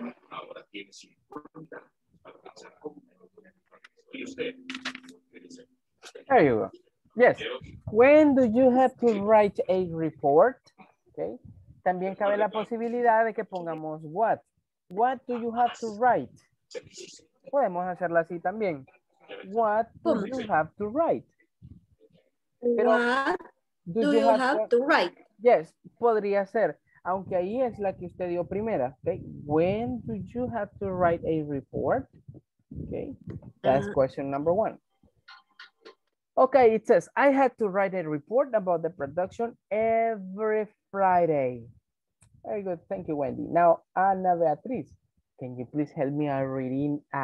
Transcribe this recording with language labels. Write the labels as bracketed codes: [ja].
[es] Ahora tiene 50 para pasar a comer. Y usted, [en] there you go. Yes. When do you have to write a report? [es] Okay. También cabe la posibilidad de que pongamos what. [en] What do you have to write? [es] Podemos hacerla así también. [en] What do you have to write? Pero, what do you have to write? [es] Yes, podría ser. Aunque ahí es la que usted dio primera. [en] Okay. When do you have to write a report? Okay. That's question number one. Okay, it says, I had to write a report about the production every Friday. Very good. Thank you, Wendy. Now, Ana Beatriz, can you please help me reading?